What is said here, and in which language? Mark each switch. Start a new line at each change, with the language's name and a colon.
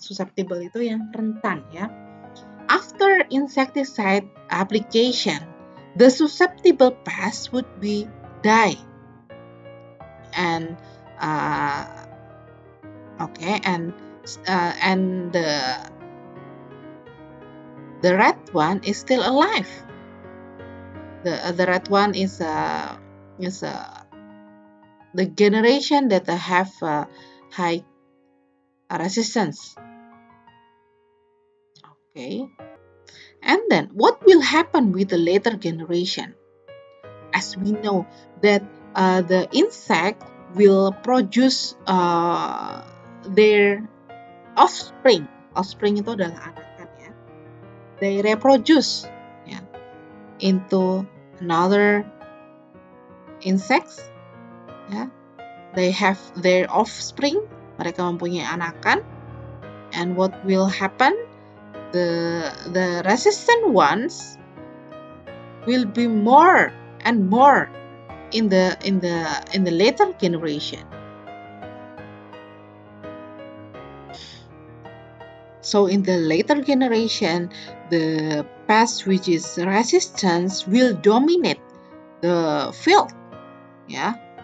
Indonesian: Susceptible itu yang rentan, ya.
English: After insecticide application, the susceptible pest would be die, and Okay, and the red one is still alive. The red one is the generation that have high resistance. Okay. And then what will happen with the later generation? As we know that the insect will produce their offspring.
Indonesian: Offspring itu adalah anakan ya.
English: They reproduce ya, into another insects. Ya. They have their offspring.
Indonesian: Mereka mempunyai anakan.
English: And what will happen? The resistant ones will be more and more in the later generation. So in the later generation, the pest which is resistance will dominate the field. Yeah.